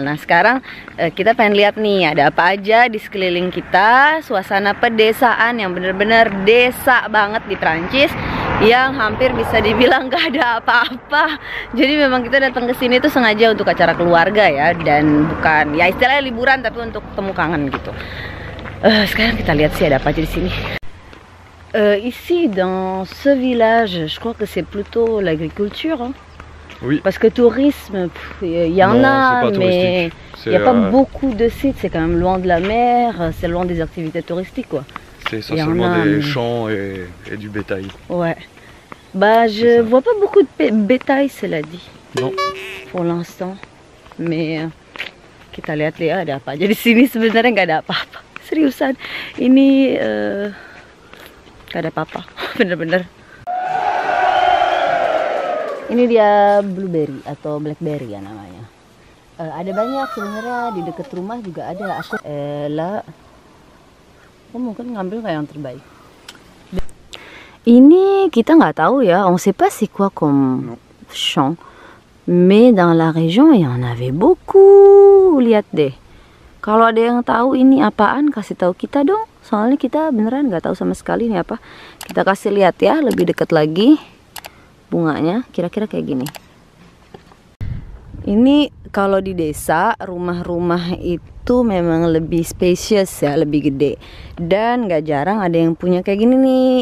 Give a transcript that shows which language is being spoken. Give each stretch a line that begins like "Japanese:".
Indonesian: Nah sekarang kita pengen lihat nih ada apa aja di sekeliling kita, suasana pedesaan yang benar-benar desa banget di Prancis, yang hampir bisa dibilang gak ada apa-apa. Jadi memang kita datang ke sini tuh sengaja untuk acara keluarga ya, dan bukan ya istilahnya liburan, tapi untuk temu kangen gitu. Sekarang kita lihat sih ada apa aja di sini.
French: Ici, dans ce village, je crois que c'est plutôt l'agriculture. Oui. Parce que tourisme, il y en non, a, mais il n'y a pas beaucoup de sites. C'est quand même loin de la mer, c'est loin des activités touristiques, quoi. C'est essentiellement des champs et du bétail. Ouais. Bah, je ne vois pas beaucoup de bétail, cela dit. Non. Pour l'instant. Mais, quitte à l'atelier, il n'y a pas. Il y a des sinistres, mais il n'y a pas. Sérieux, ça.
Indonesian: Ini, gak ada apa-apa, bener-bener. Ini dia blueberry atau blackberry ya namanya. Ada banyak sebenarnya, di deket rumah juga ada. Aku aku mungkin ngambil kayak yang terbaik. Ini kita nggak tahu ya,
French: on sait pas c'est quoi comme champ, mais dans la région il y en avait beaucoup.
Indonesian: Lihat deh, kalau ada yang tahu ini apaan kasih tahu kita dong. Soalnya kita beneran nggak tahu sama sekali ini apa. Kita kasih lihat ya lebih dekat lagi bunganya, kira-kira kayak gini. Ini kalau di desa rumah-rumah itu memang lebih spacious ya, lebih gede, dan nggak jarang ada yang punya kayak gini nih.